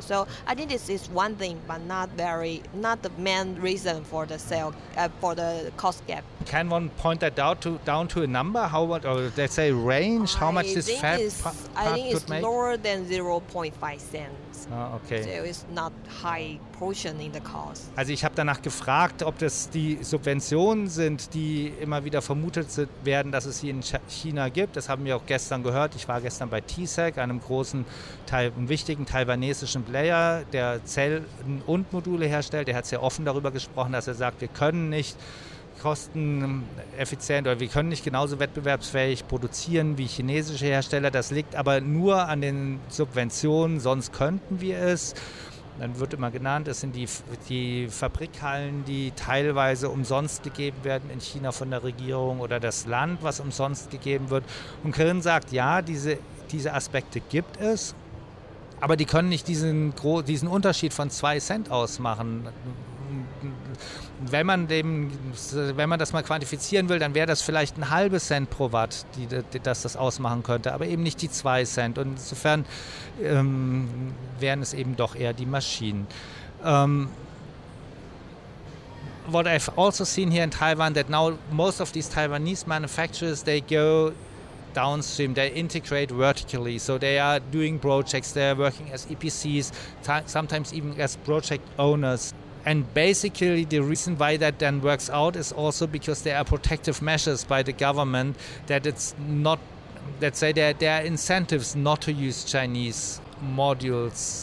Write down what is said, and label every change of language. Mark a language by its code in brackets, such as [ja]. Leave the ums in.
[en] So I think this is one thing, but not very not the main reason for the sale uh, for the cost gap can one point that out to down to a number? How much, or let's say range? How much I this fat pa- I think could it's make? lower than 0.5 cents. Ah, okay. So it's not high portion in the cost. [de] Also ich habe danach gefragt, ob das die Subventionen sind, die immer wieder vermutet sind- werden, dass es sie in Ch- China gibt. Das haben wir auch gestern gehört. Ich war gestern bei TSEC, einem großen, Tai- einem wichtigen taiwanesischen Player, der Zellen und Module herstellt. Der hat sehr offen darüber gesprochen, dass er sagt, wir können nicht kosteneffizient oder wir können nicht genauso wettbewerbsfähig produzieren wie chinesische Hersteller. Das liegt aber nur an den Subventionen, sonst könnten wir es. Dann wird immer genannt, es sind die, die Fabrikhallen, die teilweise umsonst gegeben werden in China von der Regierung oder das Land, was umsonst gegeben wird. Und Kirin sagt, ja, diese, diese Aspekte gibt es, aber die können nicht diesen, gro- diesen Unterschied von zwei Cent ausmachen wenn man, dem, wenn man das mal quantifizieren will, dann wäre das vielleicht ein halbes Cent pro Watt, die, die, dass das ausmachen könnte, aber eben nicht die zwei Cent. Und insofern ähm, wären es eben doch eher die Maschinen. [en] Um, what I've also seen here in Taiwan that now most of these Taiwanese manufacturers they go downstream they integrate vertically so they are doing projects they are working as EPCs sometimes even as project owners and basically the reason why that then works out is also because there are protective measures by the government that it's not let's say there, there are incentives not to use Chinese modules.